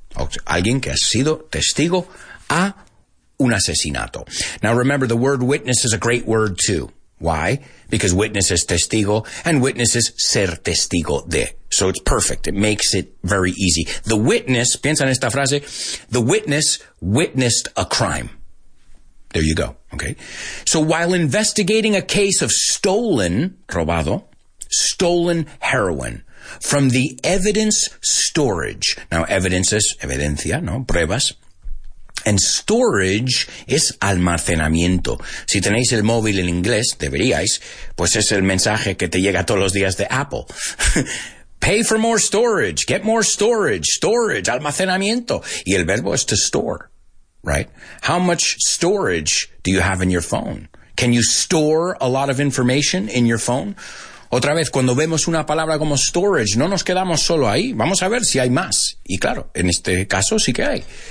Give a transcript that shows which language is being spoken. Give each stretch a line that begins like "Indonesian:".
Spanish: Alguien que ha sido testigo a un asesinato.
English: Now remember, the word witness is a great word too. Why? Because witness is testigo, and witness is ser testigo de. So it's perfect. It makes it very easy. The witness,
Spanish: piensa en esta frase,
English: the witness witnessed a crime. There you go. Okay. So while investigating a case of stolen heroin from the evidence storage. Now evidence is evidencia, no? Pruebas. And storage
Spanish: es almacenamiento. Si tenéis el móvil en inglés, deberíais, pues es el mensaje que te llega todos los días de Apple.
English: Pay for more storage, get more storage, storage, almacenamiento.
Spanish: Y el verbo es
English: to store, right? How much storage do you have in your phone? Can you store a lot of information in your phone?
Spanish: Otra vez, cuando vemos una palabra como storage, no nos quedamos solo ahí. Vamos a ver si hay más. Y claro, en este caso sí que hay.